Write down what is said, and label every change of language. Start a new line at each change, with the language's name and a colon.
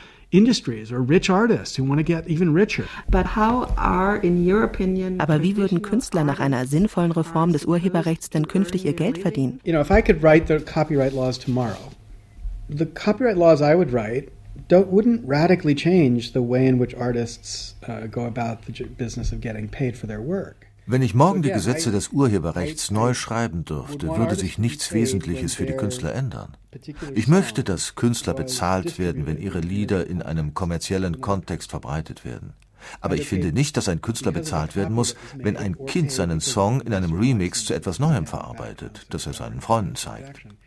English: industries or rich artists who want to get even richer. But how are, in your opinion,
German: aber wie würden Künstler nach einer sinnvollen Reform des Urheberrechts denn künftig ihr Geld verdienen?
English: You know, if I could write the copyright laws tomorrow, the copyright laws I would write wouldn't radically change the way in which artists go about the business of getting paid for their work.
German: Wenn ich morgen die Gesetze des Urheberrechts neu schreiben dürfte, würde sich nichts Wesentliches für die Künstler ändern. Ich möchte, dass Künstler bezahlt werden, wenn ihre Lieder in einem kommerziellen Kontext verbreitet werden. Aber ich finde nicht, dass ein Künstler bezahlt werden muss, wenn ein Kind seinen Song in einem Remix zu etwas Neuem verarbeitet, das er seinen Freunden zeigt.